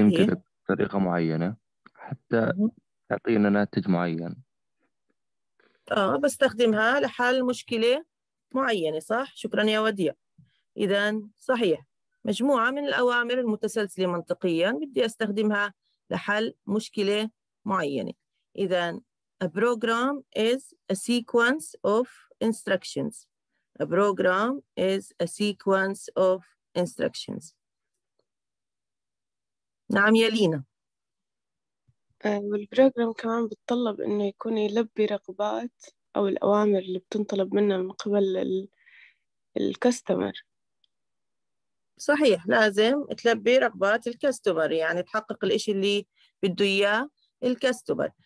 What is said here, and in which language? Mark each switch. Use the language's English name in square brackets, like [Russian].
[Arabic] يمكن بطريقة معينة حتى تعطينا ناتج معين. بستخدمها لحل مشكلة معينة، صح؟ شكرا يا وديع. إذا صحيح، مجموعة من الأوامر المتسلسلة منطقيا بدي أستخدمها لحل مشكلة معينة. [English] إذا a program is a sequence of instructions. A program is a sequence of instructions. [Arabic] نعم يا لينا. والبروجرام كمان بتطلب إنه يكون يلبي رغبات أو الأوامر اللي بتنطلب منه من قبل الكاستمر. صحيح، لازم تلبي رغبات الكاستمر، يعني تحقق الإشي اللي بده إياه الكاستمر.